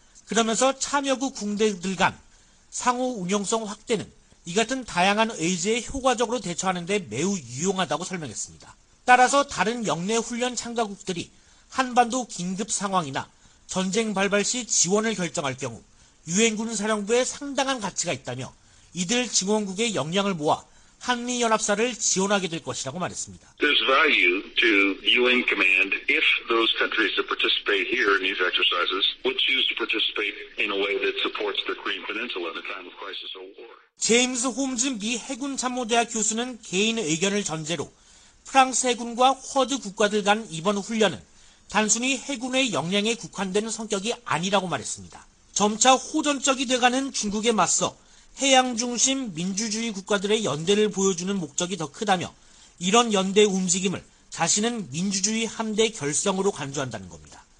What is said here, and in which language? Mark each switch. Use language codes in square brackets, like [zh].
[ko] 그러면서 참여국 군대들 간 상호 운용성 확대는 이 같은 다양한 의제에 효과적으로 대처하는 데 매우 유용하다고 설명했습니다. 따라서 다른 역내 훈련 참가국들이 한반도 긴급 상황이나 전쟁 발발 시 지원을 결정할 경우 유엔군 사령부에 상당한 가치가 있다며 이들 지원국의 역량을 모아 한미연합사를 지원하게 될 것이라고 말했습니다. [en] There's value to UN command if those countries that participate here in these exercises would choose to participate in a way that supports the Korean Peninsula in a time of crisis or war. [ko] 제임스 홈즈 미 해군참모대학 교수는 개인 의견을 전제로 프랑스 해군과 쿼드 국가들 간 이번 훈련은 단순히 해군의 역량에 국한되는 성격이 아니라고 말했습니다. 점차 호전적이 돼가는 중국에 맞서 해양 중심 민주주의 국가들의 연대를 보여주는 목적이 더 크다며 이런 연대 움직임을 자신은 민주주의 함대 결성으로 간주한다는 겁니다.